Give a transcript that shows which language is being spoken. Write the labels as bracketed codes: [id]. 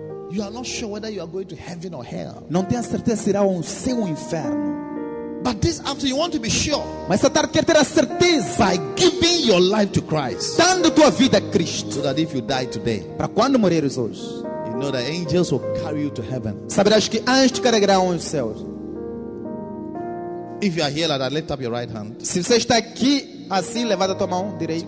[en] You are not sure whether you are going to heaven or hell. [pt] Não tenho certeza se irá ao céu ou ao inferno. [en] But this after you want to be sure. [pt] Mas essa tarde quer ter a certeza. [en] By giving your life to Christ. [pt] Dando tua vida a Cristo. [en] So that if you die today. [pt] Para quando morreres hoje. [en] You know that angels will carry you to heaven. [pt] Saberás que anjos te carregarão aos céus. [en] If you are here like that, lift up your right hand. [pt] Se você está aqui assim, levanta a tua mão direita.